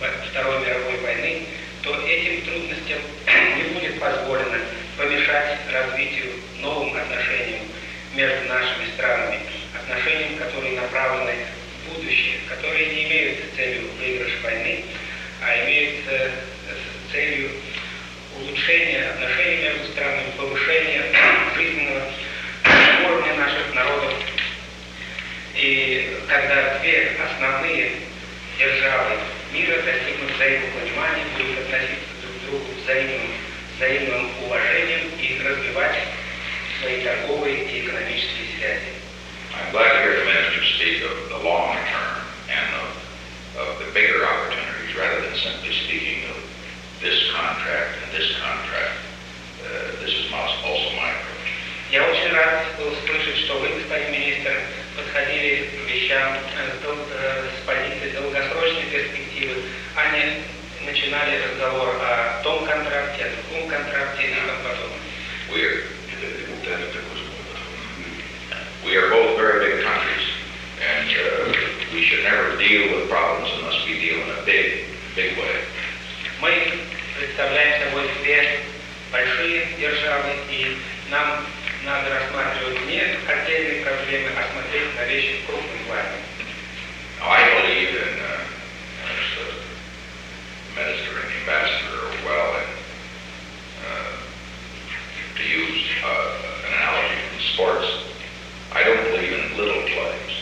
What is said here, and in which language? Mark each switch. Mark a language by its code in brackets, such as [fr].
[ru] Второй мировой войны, то этим трудностям не будет позволено помешать развитию новым отношениям между нашими странами, отношениям, которые направлены в будущее, которые не имеют целью выигрыш войны, а имеют целью улучшения отношений между странами, повышения жизненного уровня наших народов. И когда две основные державы мира достигнут взаимопонимания, будут относиться друг к другу взаимным уважением и развивать свои торговые и экономические связи. [en] I'm glad to hear the minister speak of the long term and of the bigger opportunities rather than simply speaking of this contract and this contract. This is also my approach. [ru] Я очень рад был слышать, что вы, господин министр, подходили к вещам с позиции долгосрочной перспективы, а не начинали разговор о том контракте, о другом контракте и так потом. [en] We are both very big countries, and we should never deal with problems unless we deal in a big, big way. [ru] Мы представляем собой две большие державы, и нам надо рассматривать не отдельные проблемы, а смотреть на вещи в крупном плане. [en] Now, I believe in, as the minister and the ambassador, well, and, to use an analogy from sports, I don't believe in little plays.